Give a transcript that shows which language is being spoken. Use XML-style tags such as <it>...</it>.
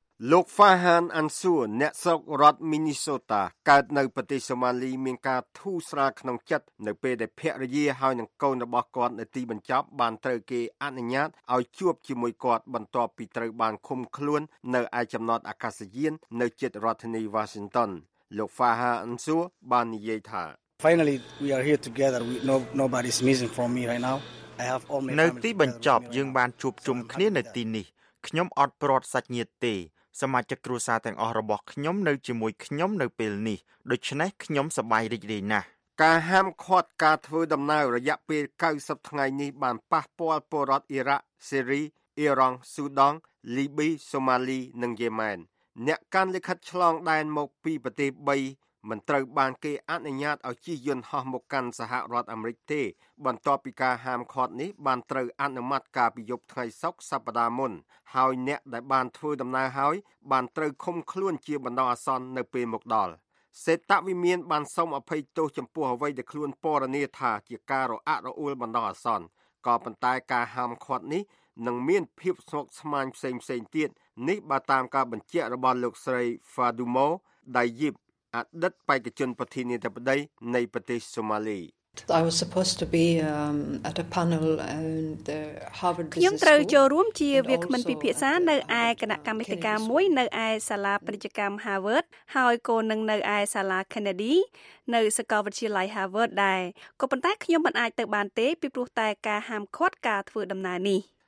<km>លោកហ្វាហានអាន់ស៊ូអ្នកស្រុករដ្ឋមីនីសូតាកើតនៅប្រទេសសូម៉ាលីមានការធូរស្រាលក្នុងចិត្តនៅពេលដែលភរិយាហើយនឹងកូនរបស់គាត់នៅទីបញ្ចប់បានត្រូវគេអនុញ្ញាតឲ្យជួបជាមួយគាត់បន្ទាប់ពីត្រូវបានឃុំខ្លួននៅឯចំណតអាកាសយាននៅជិតរដ្ឋធានីវ៉ាស៊ីនតោនលោកហ្វាហានអាន់ស៊ូបាននិយាយថា</km> <en>Finally we are here together we know nobody's missing from me right now I have all my</en> <km>នៅទីបញ្ចប់យើងបានជួបជុំគ្នានៅទីនេះខ្ញុំអត់ព្រាត់សាច់ញាតិទេសមាជិកគ្រួសារទាំងអស់របស់ខ្ញុំនៅជាមួយខ្ញុំនៅពេលនេះដូច្នេះខ្ញុំសប្បាយរីករាយណាស់ការហាមឃាត់ការធ្វើដំណើររយៈពេល90ថ្ងៃនេះបានប៉ះពាល់ពលរដ្ឋអ៊ីរ៉ាក់សេរីអ៊ីរ៉ង់ស៊ូដង់លីប៊ីសូម៉ាលីនិងយេម៉ែនអ្នកកាន់លិខិតឆ្លងដែនមកពីប្រទេស3មិនត្រូវបានគេអនុញ្ញាតឲ្យជិះយន្តហោះមកកាន់សហរដ្ឋអាមេរិកទេបន្ទាប់ពីការហាមឃាត់នេះបានត្រូវអនុម័តការពីយប់ថ្ងៃសុក្រសប្តាហ៍មុនហើយអ្នកដែលបានធ្វើដំណើរហើយបានត្រូវឃុំខ្លួនជាបណ្ដោះអាសន្ននៅពេលមកដល់ សេតវិមានបានសុំអភ័យទោសចំពោះអ្វីដែលខ្លួនពណ៌នាថាជាការរអាក់រអួលបណ្ដោះអាសន្នក៏ប៉ុន្តែការហាមឃាត់នេះនឹងមានភាពស្មុគស្មាញផ្សេងៗទៀតនេះបើតាមការបញ្ជាក់របស់លោកស្រីហ្វាឌូម៉ូដៃយីបអតីតបេក្ខជនប្រធានាធិបតីនៃប្រទេសសូម៉ាលី</km> <en>I was supposed to be at a panel on the Harvard Business School.</en> <km>ខ្ញុំត្រូវចូលរួមជាវាគ្មិនពិភាក្សានៅឯគណៈកម្មាធិការមួយនៅឯសាលាពាណិជ្ជកម្ម Harvard ហើយក៏នឹងនៅឯសាលា Kennedy នៅសាកលវិទ្យាល័យ Harvard ដែរក៏ប៉ុន្តែខ្ញុំមិនអាចទៅបានទេពីព្រោះតែការហាមឃាត់ការធ្វើដំណើរនេះ</km>